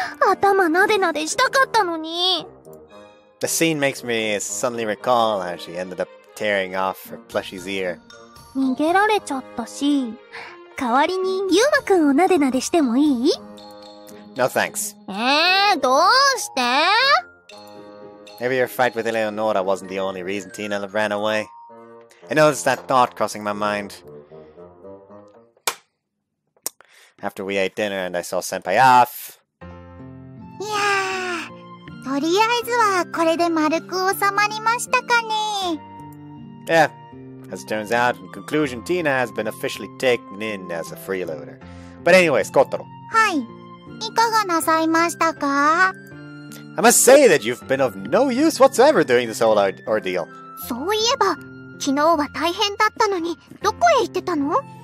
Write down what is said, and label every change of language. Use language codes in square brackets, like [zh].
[ja] 頭なでなでしたかったのに! [en] The scene makes me suddenly recall how she ended up tearing off her plushie's ear. [ja] 逃げられちゃったし、代わりにユーマくんをなでなでしてもいい? [en] No thanks. [ja] どうして? [en] Maybe your fight with Eleonora wasn't the only reason Tina ran away. I noticed that thought crossing my mind. After we ate dinner and I saw Senpai off. [ja] Yeah, とりあえずはこれで丸く収まりましたかね? [en] Yeah, as it turns out, in conclusion, Tina has been officially taken in as a freeloader. But anyways, Kotaro. [ja] はい、いかがなさいましたか? [en] I must say that you've been of no use whatsoever during this whole ordeal. [ja] そういえば、昨日は大変だったのに、どこへ行ってたの?